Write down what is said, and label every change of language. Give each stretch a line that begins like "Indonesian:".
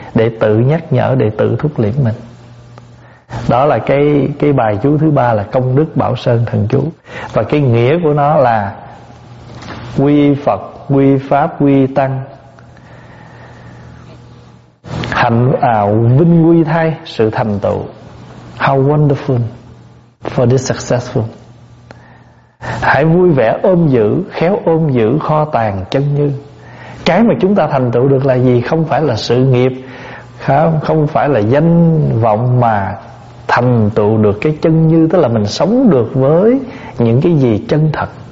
Vietnamese: Để tự nhắc nhở, để tự thúc liễm mình. Đó là cái bài chú thứ ba là công đức bảo sơn thần chú. Và cái nghĩa của nó là quy Phật, quy Pháp, quy Tăng, hạnh ảo vinh quy thay, sự thành tựu.
English: How wonderful for this successful.
Vietnamese: Hãy vui vẻ ôm giữ, khéo ôm giữ kho tàng chân như. Cái mà chúng ta thành tựu được là gì? Không phải là sự nghiệp, không phải là danh vọng, mà thành tựu được cái chân như. Tức là mình sống được với những cái gì chân thật.